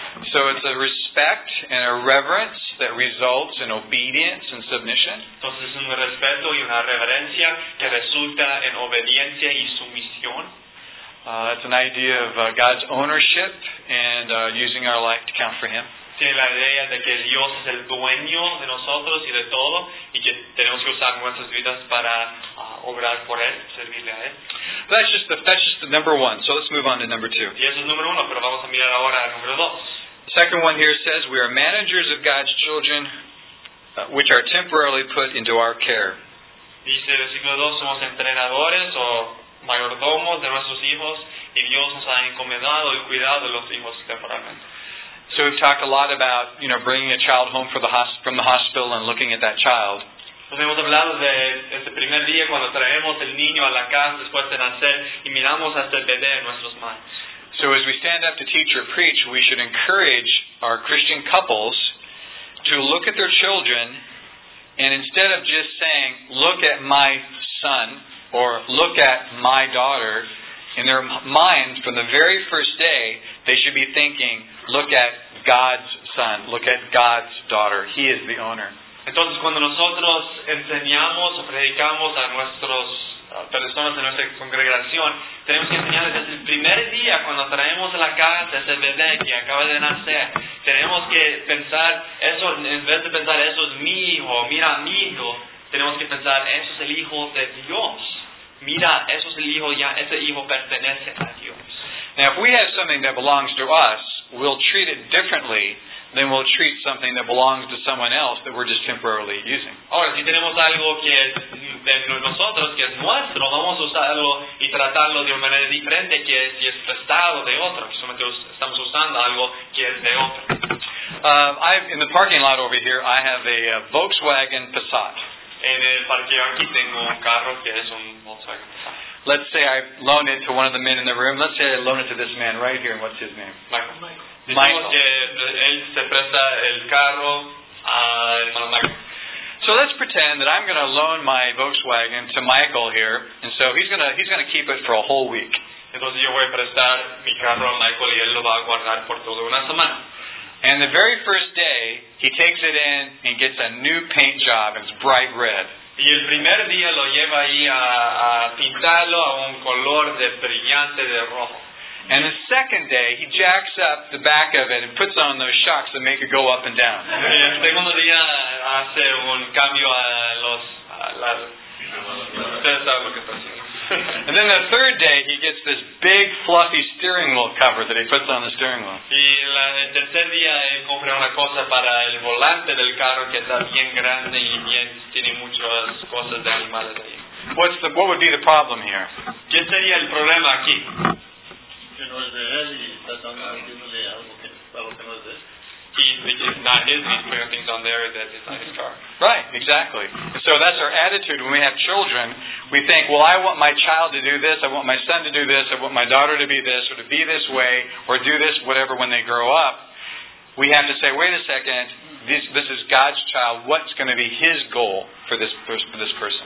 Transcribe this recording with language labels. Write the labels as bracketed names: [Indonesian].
[English] So it's a respect and a reverence that results in obedience and submission. [Spanish] Entonces es un respeto y una reverencia que resulta en obediencia y sumisión. [English] It's an idea of God's ownership and using our life to count for him. [Spanish] Tiene la idea de que Dios es el dueño de nosotros y de todo y que tenemos que usar nuestras vidas para obrar por él, servirle a él. [English] That's just the number one. So let's move on to number two. [Spanish] Y eso es número uno, pero vamos a mirar ahora al número dos. [English] The second one here says we are managers of God's children, which are temporarily put into our care. [Spanish] Dice el versículo dos, somos entrenadores o mayordomos de nuestros hijos y Dios nos ha encomendado el cuidado de los hijos temporalmente. [English] So we've talked a lot about, you know, bringing a child home from the hospital and looking at that child. [Spanish] Pues hemos hablado de este primer día cuando traemos el niño a la casa después de nacer y miramos hasta el bebé en nuestros manos. [English] So as we stand up to teach or preach, we should encourage our Christian couples to look at their children and instead of just saying, look at my son or look at my daughter, in their mind from the very first day, they should be thinking, look at God's son, look at God's daughter. He is the owner. [Spanish] Entonces, cuando nosotros enseñamos o predicamos a nuestras personas de nuestra congregación, tenemos que enseñarles desde el primer día, cuando traemos a la casa ese bebé que acaba de nacer, tenemos que pensar, eso, en vez de pensar, eso es mi hijo, mira a mi hijo, tenemos que pensar, eso es el hijo de Dios. Mira, eso es el hijo, ya ese hijo pertenece a Dios. [English] Now, if we have something that belongs to us, we'll treat it differently then we'll treat something that belongs to someone else that we're just temporarily using. [Spanish] Ahora, si tenemos algo que es de nosotros, que es nuestro, vamos a usarlo y tratarlo de una manera diferente que si es prestado de otro. Solamente estamos usando algo que es de otro. [English] In the parking lot over here, I have a Volkswagen Passat. [Spanish] En el parqueo aquí tengo un carro que es un Volkswagen Passat. [English] Let's say I loan it to one of the men in the room. Let's say I loan it to this man right here. And what's his name? Michael. Michael. So let's pretend that I'm going to loan my Volkswagen to Michael here, and so he's going to keep it for a whole week. [Spanish] Entonces yo voy a prestar mi carro a Michael y él lo va a guardar por toda una semana. [English] And the very first day, he takes it in and gets a new paint job. It's bright red. [Spanish] Y el primer día lo lleva ahí a pintarlo a un color de brillante de rojo. [English] And the second day, he jacks up the back of it and puts on those shocks that make it go up and down. [Spanish] Y el segundo día hace un cambio a los... Ustedes saben lo que está haciendo. [English] And then the third day, he gets this big, fluffy steering wheel cover that he puts on the steering wheel. [Spanish] Y el tercer día él compra una cosa para el volante del carro que está bien grande y bien tiene muchas cosas de animales ahí. [English] What would be the problem here? [Spanish] ¿Qué sería el problema aquí? Que no es de él y está tratando de decirle algo que no es de él. [English] He's not his, he's putting things on there that is not his car. Right, exactly. So that's our attitude when we have children. We think, well, I want my child to do this, I want my son to do this, I want my daughter to be this, or to be this way, or do this, whatever, when they grow up. We have to say, wait a second, this is God's child, what's going to be his goal for this person?